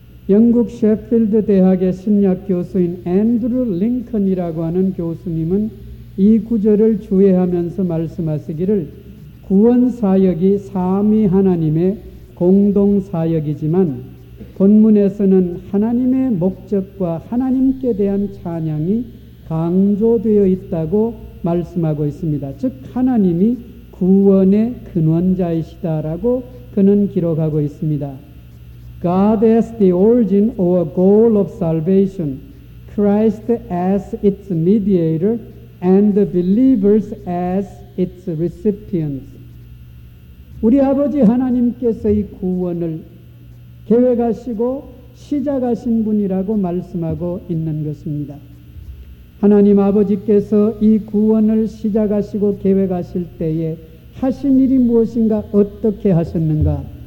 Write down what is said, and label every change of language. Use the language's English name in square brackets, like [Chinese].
[Korean] 영국 셰필드 대학의 신약 교수인 앤드루 링컨이라고 하는 교수님은 이 구절을 주의하면서 말씀하시기를 구원사역이 삼위 하나님의 공동사역이지만 본문에서는 하나님의 목적과 하나님께 대한 찬양이 강조되어 있다고 말씀하고 있습니다. 즉 하나님이 구원의 근원자이시다라고 그는 기록하고 있습니다. [English] God as the origin or goal of salvation, Christ as its mediator, and the believers as its recipients. [Korean] 우리 아버지 하나님께서 이 구원을 계획하시고 시작하신 분이라고 말씀하고 있는 것입니다. 하나님 아버지께서 이 구원을 시작하시고 계획하실 때에 하신 일이 무엇인가, 어떻게 하셨는가?